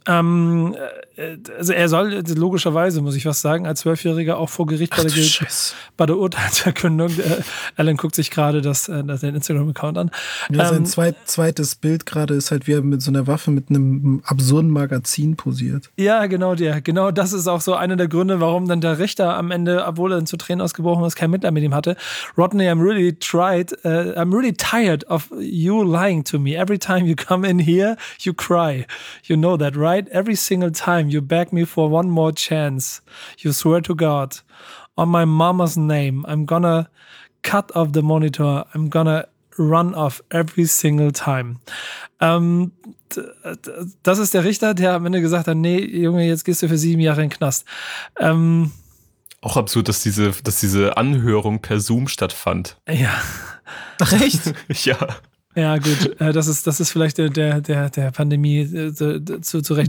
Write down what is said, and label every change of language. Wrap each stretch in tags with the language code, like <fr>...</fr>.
<de>Also er soll logischerweise, muss ich was sagen, als 12-Jähriger auch vor Gericht bei der Urteilsverkündung. Alan guckt sich gerade den Instagram-Account an. Ja, sein zweites Bild gerade ist halt, wie er mit so einer Waffe mit einem absurden Magazin posiert. Ja, genau der. Genau das ist auch so einer der Gründe, warum dann der Richter am Ende, obwohl er dann zu Tränen ausgebrochen ist, kein Mitleid mit ihm hatte.</de> <en>Rodney, I'm really tired of you lying to me. Every time you come in here, you cry. You know that, right? Every single time you beg me for one more chance, you swear to God, on my mama's name, I'm gonna cut off the monitor, I'm gonna run off every single time.</en> <de>Das ist der Richter, der am Ende gesagt hat, nee, Junge, jetzt gehst du für 7 Jahre in den Knast. Auch absurd, dass diese Anhörung per Zoom stattfand. Ja. Ach echt? Ja. Ja, gut, das ist vielleicht der Pandemie zu rechnen.</de>